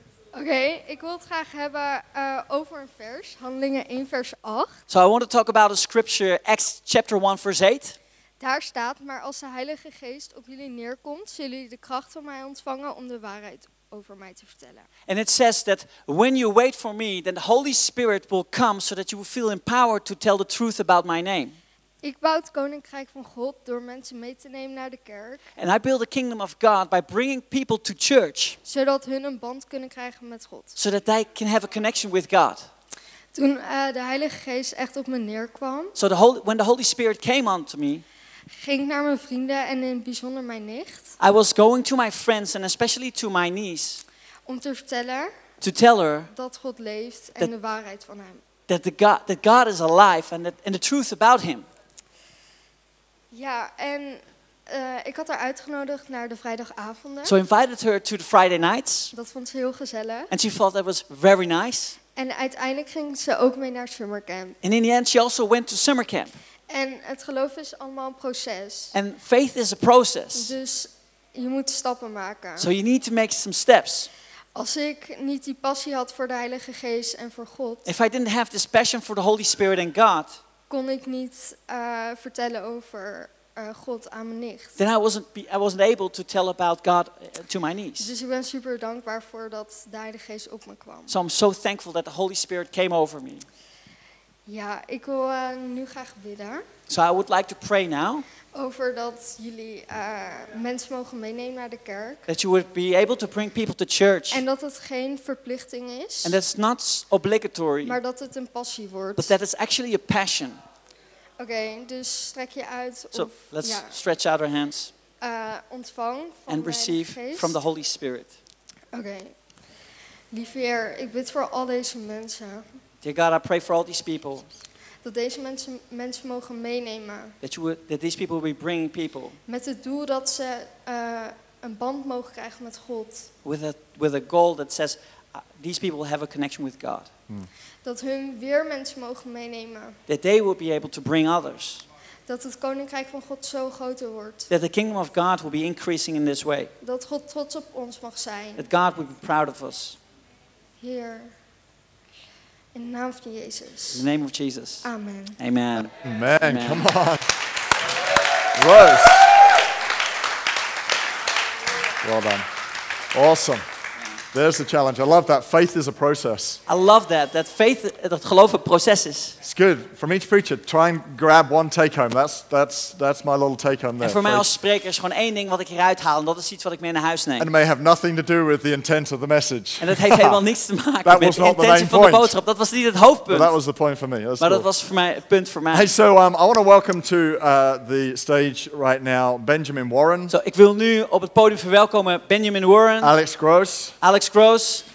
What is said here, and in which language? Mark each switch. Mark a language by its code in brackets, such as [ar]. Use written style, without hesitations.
[nl] Okay, ik wil het graag hebben over een vers, Handelingen 1 vers 8. [en] So I want to talk about a scripture, Acts chapter 1 verse 8. [nl] Daar staat, maar als de Heilige Geest op jullie neerkomt, zullen jullie de kracht van mij ontvangen om de waarheid over mij te vertellen. [en] And it says that when you wait for me, then the Holy Spirit will come so that you will feel empowered to tell the truth about my name. [nl] Ik bouw het koninkrijk van God door mensen mee te nemen naar de kerk. [en] And I build the kingdom of God by bringing people to church. [nl] Zodat hun een band kunnen krijgen met God. [en] So that they can have a connection with God. [nl] Toen de Heilige Geest echt op me neerkwam. [en] So the Holy, when the Holy Spirit came onto me. [nl] Ging naar mijn vrienden en in het bijzonder mijn nicht. [en] I was going to my friends and especially to my niece. [nl] Om te vertellen. [en] To tell her. [nl] Dat God leeft en that, de waarheid van hem. [en] That the God, that God is alive and the truth about him. [nl] Ja, en ik had haar uitgenodigd naar de vrijdagavonden. [en] So I invited her to the Friday nights. [nl] Dat vond ze heel gezellig. [en] And she thought that was very nice. [nl] En uiteindelijk ging ze ook mee naar summer camp. [en] And in the end she also went to summer camp. [nl] En het geloof is allemaal een proces. [en] And faith is a process. [nl] Dus je moet stappen maken. [en] So you need to make some steps. [nl] Als ik niet die passie had voor de Heilige Geest en voor God. [en] If I didn't have this passion for the Holy Spirit and God. [nl] Kon ik niet vertellen over God aan mijn nicht. [en] Then I wasn't able to tell about God to my niece. [nl] Dus ik ben super dankbaar voor dat de Heilige Geest op me kwam. [en] So I'm so thankful that the Holy Spirit came over me. [nl] Ja, ik wil nu graag bidden. [en] So I would like to pray now. [nl] Over dat jullie mensen mogen meenemen naar de kerk. [en] That you would be able to bring people to church. [nl] En dat het geen verplichting is. [en] And that's not obligatory. [nl] Maar dat het een passie wordt. [en] But that it's actually a passion. [nl] Okay, dus strek je uit. [en] So [nl] of, [en] let's [nl] ja, [en] stretch out our hands. [nl] Ontvang van [en] and receive from the Holy Spirit. Okay. [nl] Lieve Heer, ik bid voor al deze mensen. [en] Dear God, I pray for all these people. [nl] Dat deze mensen mogen meenemen. [en] That these people will be bringing people. [nl] Met het doel dat ze een band mogen krijgen met God. [en] With a goal that says these people have a connection with God. [nl] Dat hun weer mensen mogen meenemen. [en] That they will be able to bring others. [nl] Dat het koninkrijk van God zo groter wordt. [en] That the kingdom of God will be increasing in this way. [nl] Dat God trots op ons mag zijn. [en] That God will be proud of us. [nl] Heer. [en] In the name of Jesus. In the name of Jesus. Amen. Amen. Amen. Amen. Come on. Rose. Well done. Awesome. There's the challenge. I love that. Faith is a process. I love that. That faith, [nl] dat geloof een proces is. [en] It's good. From each preacher, try and grab one take home. That's my little take home there. [nl] En voor mij als spreker is gewoon één ding wat ik eruit haal. En dat is iets wat ik mee naar huis neem. [en] And it may have nothing to do with the intent of the message. [nl] En dat heeft helemaal niets te maken met de intentie van de boodschap. Dat was niet het hoofdpunt. [en] But that was the point for me. That's [nl] maar dat was voor mij het punt voor mij. [en] Hey, so I want to welcome to the stage right now Benjamin Warren. [nl] So ik wil nu op het podium verwelkomen Benjamin Warren. [en] Alex Gross. Alex Gross,